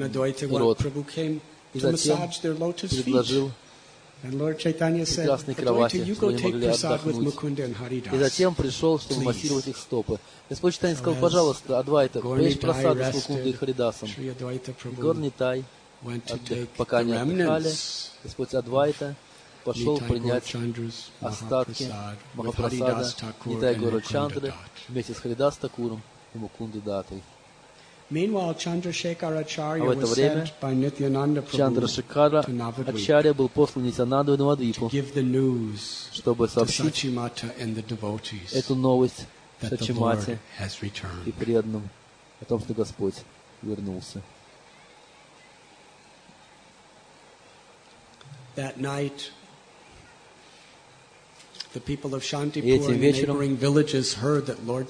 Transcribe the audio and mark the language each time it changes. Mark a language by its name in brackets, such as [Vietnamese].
[English] And Adwaita Prabhu came to massage their lotus feet. And Lord Chaitanya said, "Adwaita, you go take prasad with Mukunda and Haridas." [Russian] И затем пришел, чтобы массировать их стопы. Господь Чайтанья сказал, пожалуйста, Адвайта, приведи просаду с Мукундой и Харидасом. Горнитай, пока не отдыхали, Господь Адвайта пошел принять остатки Махапрасада Нитай Гора Чандры вместе с Харидас Такуром и Мукунды Датой. А в это время Чандра Шикара Ачарья был послан Нитянандой Навадвипу, чтобы сообщить эту новость [English] that the Lord has returned. [Russian] И преданным о том, что Господь вернулся. [English] That night, the people of Shantipur and neighboring villages heard that Lord